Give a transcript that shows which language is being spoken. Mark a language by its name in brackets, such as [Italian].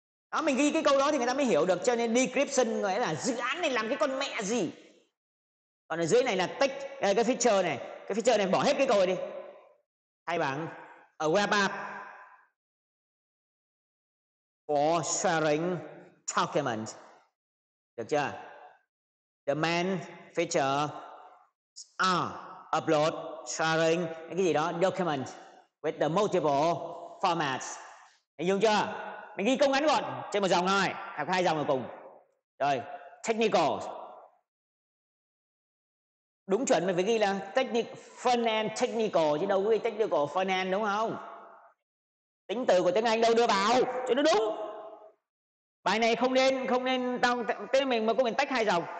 [Vietnamese] Đó, mình ghi cái câu đó thì người ta mới hiểu được. Cho nên decryption nghĩa là dự án này làm cái con mẹ gì. Còn ở dưới này là text, cái feature này, cái feature này bỏ hết cái câu này đi. Thay bằng [English] a web app for sharing documents, [Vietnamese] được chưa? [English] The main feature are upload, sharing [Vietnamese] cái gì đó, [English] document with the multiple formats. [Vietnamese] Hình dung chưa? Mình ghi công ngắn gọn trên một dòng thôi, hoặc hai dòng là cùng. Rồi, technical. Đúng chuẩn mình phải ghi là [English] front end technical, [Vietnamese] chứ đâu có ghi [English] technical front end, [Vietnamese] đúng không? Tính từ của tiếng Anh đâu đưa vào, cho nó đúng. Bài này không nên tao tên mình mà có mình tách hai dòng.